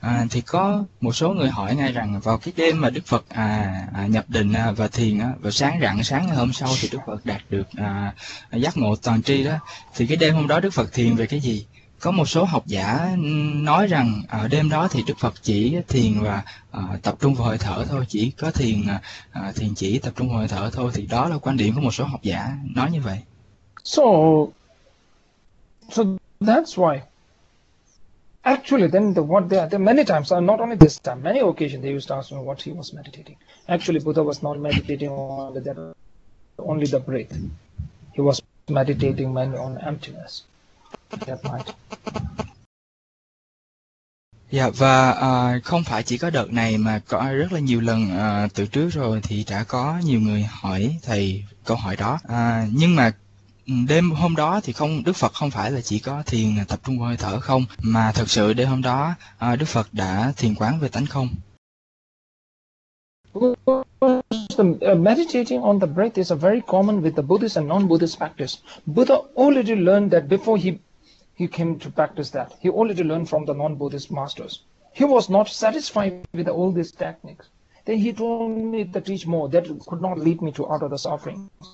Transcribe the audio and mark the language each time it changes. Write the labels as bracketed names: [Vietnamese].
[Vietnamese] Thì có một số người hỏi ngay rằng vào cái đêm mà Đức Phật nhập định và thiền vào sáng rạng sáng ngày hôm sau thì Đức Phật đạt được giác ngộ toàn tri đó, thì cái đêm hôm đó Đức Phật thiền về cái gì? Có một số học giả nói rằng ở đêm đó thì Đức Phật chỉ thiền và tập trung vào hơi thở thôi, chỉ có thiền thiền chỉ tập trung vào hơi thở thôi, thì đó là quan điểm của một số học giả nói như vậy. [English] So that's why. Actually, then there many times, not only this time, many occasions they used to ask me what he was meditating. Actually, Buddha was not meditating on that, only the breath. He was meditating mainly on emptiness that night. [Vietnamese] Yeah, và không phải chỉ có đợt này mà có rất là nhiều lần từ trước rồi thì đã có nhiều người hỏi thầy câu hỏi đó. Nhưng mà đêm hôm đó thì không, Đức Phật không phải là chỉ có thiền tập trung hơi thở không, mà thực sự đêm hôm đó Đức Phật đã thiền quán về tánh không. [English] Meditating on the breath is a very common with the Buddhist and non-Buddhist practice. Buddha already learned that before he came to practice that. He already learned from the non-Buddhist masters. He was not satisfied with all these techniques. Then he told me to teach more that could not lead me to out of the suffering.